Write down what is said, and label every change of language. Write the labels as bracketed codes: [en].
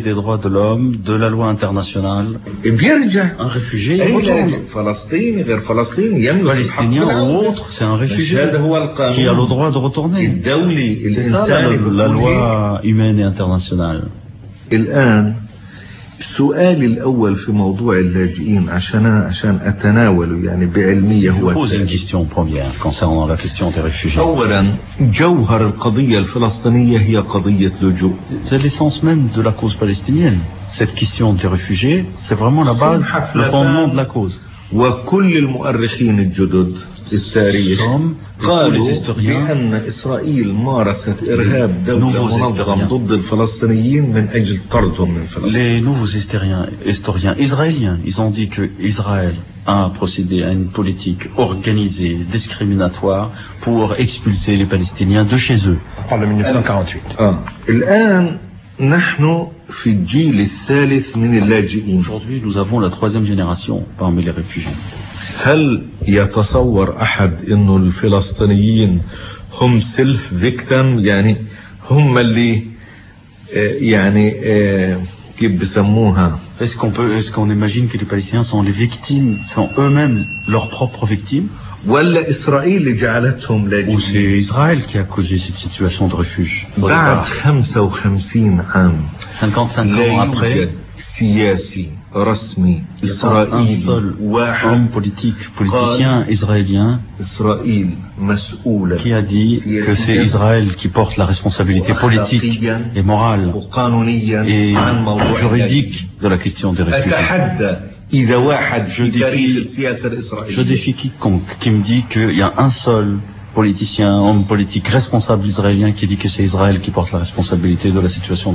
[fr] des droits de l'homme, de la loi internationale. Un réfugié, palestinien ou autre, c'est un réfugié qui a le droit de retourner. C'est ça la loi humaine et internationale. [ar] السؤال الأول في موضوع اللاجئين عشان أتناوله يعني بعلمية هو أولا جوهر القضية الفلسطينية هي قضية لجوء. [fr] C'est l'essence même de la cause palestinienne. Cette question des réfugiés, c'est vraiment la base, le fondement de la cause. [ar] وكل المؤرخين الجدد التاريخ قالوا بأن إسرائيل مارست إرهاب دولة منظم ضد الفلسطينيين من أجل طردهم من فلسطين. [fr] Les nouveaux historiens israéliens, ils ont dit que Israël a procédé à une politique organisée, discriminatoire pour expulser les Palestiniens de chez eux. On parle de 1948. [ar] الآن نحن في الجيل الثالث من اللاجئين. [fr] Aujourd'hui, nous avons la troisième génération parmi les réfugiés. [ar] هل يتصور أحد إنه الفلسطينيين هم [en] self victim [ar] يعني هم اللي يعني كيف بسموها؟ [fr] Est-ce qu'on imagine que les Palestiniens sont les victimes, sont eux-mêmes leurs propres victimes؟ [ar] ولا إسرائيل اللي جعلتهم لاجئين؟ [fr] Ou c'est Israël qui a causé cette situation de refuge؟ [ar] بعد 55 عام. [fr] 55 ans après. [ar] سياسي رسمي إسرائيل واحد [fr] politicien israélien [ar] إسرائيل مسؤول [fr] qui a dit que c'est Israël qui porte la responsabilité politique et morale et juridique de la question des réfugiés. Je défie quiconque qui me dit qu'il y a un seul politicien, homme politique responsable israélien qui dit que c'est Israël qui porte la responsabilité de la situation.